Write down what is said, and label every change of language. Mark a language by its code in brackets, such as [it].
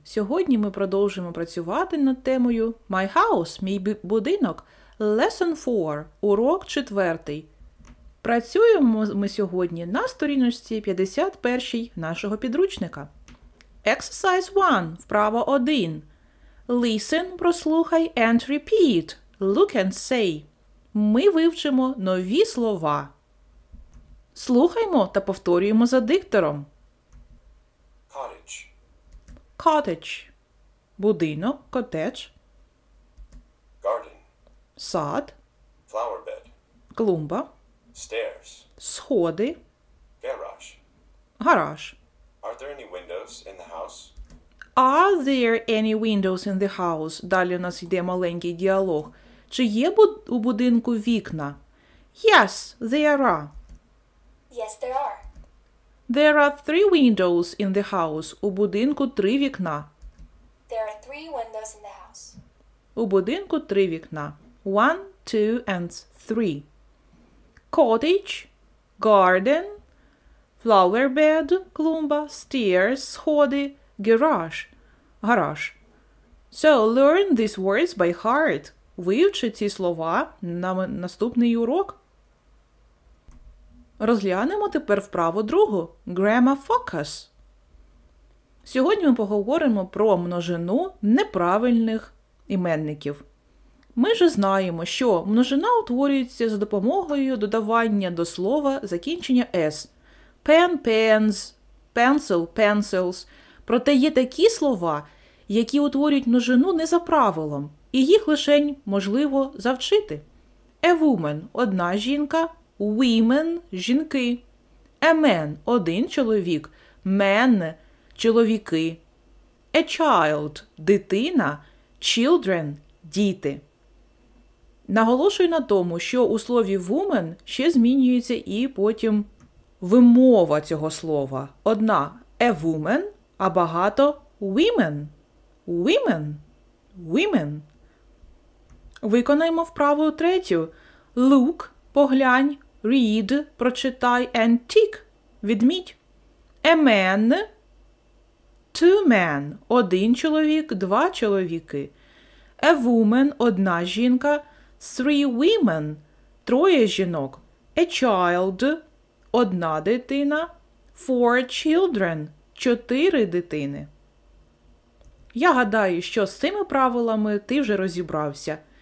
[uk] Сьогодні ми продовжуємо працювати над темою [en] My House [uk] – мій будинок. [en] Lesson 4 [uk] – урок 4. Працюємо ми сьогодні на сторіночці 51 нашого підручника. [en] Exercise 1 – [uk] вправа 1. [en] Listen – [uk] прослухай [en] and repeat. Look and say. [uk] Ми вивчимо нові слова. Слухаймо та повторюємо за диктором. [en] Cottage. [uk] Будинок, котедж. [en] Garden. [uk] Сад. [en] Flower bed. [uk] Клумба. [en] Stairs. [uk] Сходи. [en] Garage. [uk] Гараж. [en] Are there any windows in the house? Are there any windows in the house? [uk] Далі у нас йде маленький діалог. Чи є у будинку вікна? [en] Yes, there are. Yes, there are. There are three windows in the house. [uk] У будинку три вікна. [en] There are three windows in the house. [uk] У будинку три вікна. [en] One, two and three. Cottage, garden, flower bed, [uk] клумба, [en] stairs, [uk] сходи, [en] garage, [uk] гараж. [en] So, learn these words by heart. [uk] Вивчи ці слова на наступний урок. Розглянемо тепер вправу другу – [en] Grammar Focus. [uk] Сьогодні ми поговоримо про множину неправильних іменників. Ми ж знаємо, що множина утворюється за допомогою додавання до слова закінчення «s» – [en] pen – pens, pencil – pencils. [uk] Проте є такі слова, які утворюють множину не за правилом, і їх лише можливо завчити. [en] A woman – [uk] одна жінка [en] – women – [uk] жінки. [en] A man – [uk] один чоловік. [en] Men – [uk] чоловіки. [en] A child – [uk] дитина. [en] Children [uk] – діти. Наголошую на тому, що у слові woman ще змінюється і потім вимова цього слова. Одна – a woman, а багато – women. [en] Women – women. [uk] Виконаємо вправу третю. [en] Look [uk] – поглянь. [en] Read – [uk] прочитай, [en] and tick – [uk] відмідь. [en] A man – two men – [uk] один чоловік, два чоловіки. [en] A woman – [uk] одна жінка, [en] three women – [uk] троє жінок. [en] A child – [uk] одна дитина, [en] four children – [uk] чотири дитини. Я гадаю, що з цими правилами ти вже розібрався.